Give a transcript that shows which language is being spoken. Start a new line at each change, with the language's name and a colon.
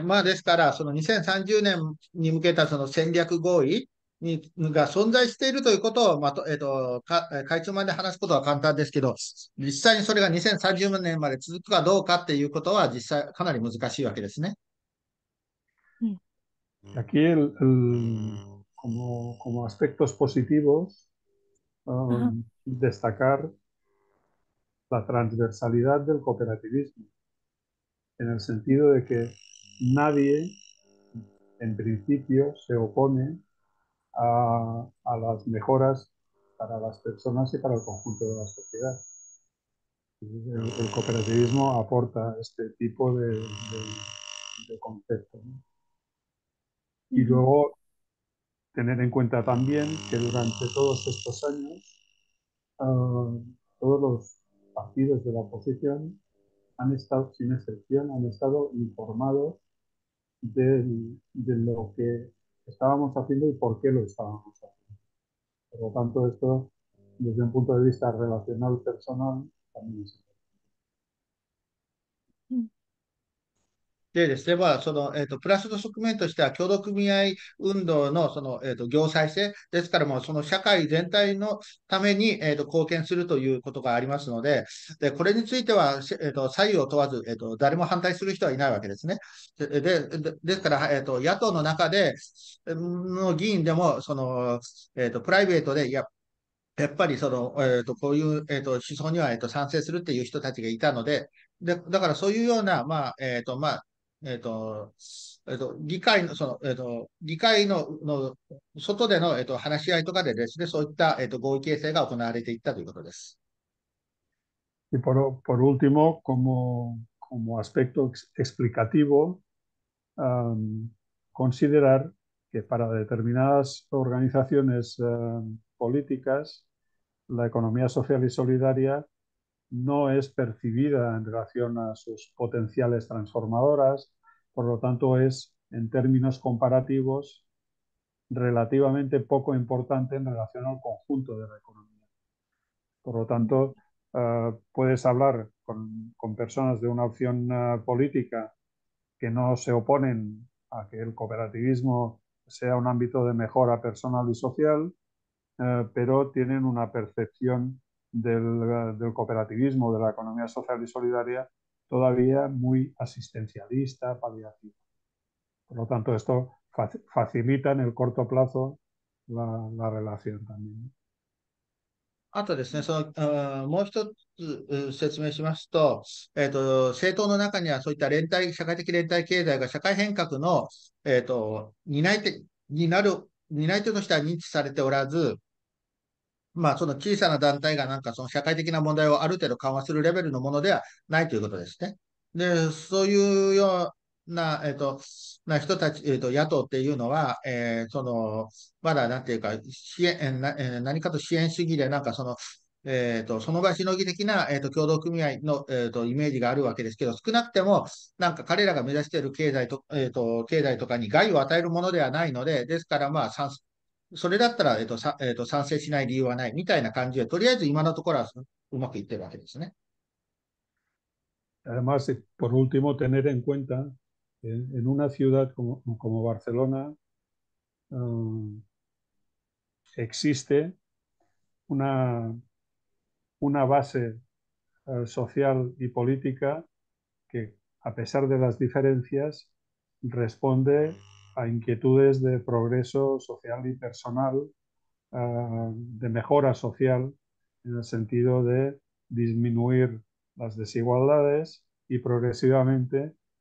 Japanese: まあ、ですから、その2030年に向けたその戦略合意が存在しているということを、まと、えっと、か、会長まで話すことは簡単ですけど、実際にそれが2030年まで続くかどうかっていうことは、実際、かなり難しいわけですね。
Spanish: Aquí, como aspectos positivos, destacar la transversalidad del cooperativismo, en el sentido de que nadie, en principio, se opone a las mejoras para las personas y para el conjunto de la sociedad. El cooperativismo aporta este tipo de concepto, ¿no? Y luego tener en cuenta también que durante todos estos años todos los partidos de la oposición han estado, sin excepción, han estado informados de lo que estábamos haciendo y por qué lo estábamos haciendo. Por lo tanto, esto desde un punto de vista relacional personal también es.
Japanese: でですね、まあ、その、プラスの側面としては、協同組合運動の、その、業績性ですから、もう、その社会全体のために、貢献するということがありますので、で、これについては、左右を問わず、誰も反対する人はいないわけですね。ですから、野党の中で、の議員でも、その、プライベートで、やっぱり、その、こういう、思想には、賛成するっていう人たちがいたので、で、だから、そういうような、まあ、議会の、その、議会の、の外での、話し合いとかでですね、そういった、合意形成が行われていったということです。
Spanish: Y por último, como aspecto explicativo, considerar que para determinadas organizaciones, políticas, la economía social y solidaria no es percibida en relación a sus potenciales transformadoras, por lo tanto es, en términos comparativos, relativamente poco importante en relación al conjunto de la economía. Por lo tanto, puedes hablar con personas de una opción política que no se oponen a que el cooperativismo sea un ámbito de mejora personal y social, pero tienen una percepción del cooperativismo, de la economía social y solidaria, todavía muy asistencialista, paliativa. Por lo tanto, esto facilita en el corto plazo la relación también.
Japanese: あとですね、その、もう一つ説明しますと、政党の中にはそういった社会的連帯経済が社会変革の、担い手としては認知されておらず、まあ、その小さな団体がなんかその社会的な問題をある程度緩和するレベルのものではないということですね。で、そういうような、えーと、な人たち、野党っていうのは、まだなんていうか、支援、何かと支援主義で、なんかその、その場しのぎ的な、協同組合の、イメージがあるわけですけど、少なくても、なんか彼らが目指している経済とかに害を与えるものではないので、ですからまあ、それだったら、賛成しない理由はないみたいな感じで、とりあえず今のところはうまくいってるわけですね。
Spanish: Además, por último, tener en cuenta en una ciudad como Barcelona, existe una base social y política que, a pesar de las diferencias, responde a inquietudes de progreso social y personal, de mejora social, en el sentido de disminuir las desigualdades y progresivamente